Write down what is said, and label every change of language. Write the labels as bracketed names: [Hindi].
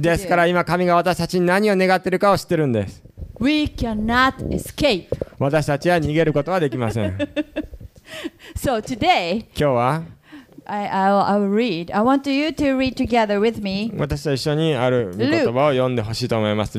[Japanese] ですから今神が私たちに何を願っているかを知ってるんです。 [English] We cannot escape. [Japanese] 私たちは逃げることはできません。 [English] So today, [Japanese] 今日は [English] I will read. I want you to read together with me. [Japanese] 私と一緒にある御言葉を読んでほしいと思います。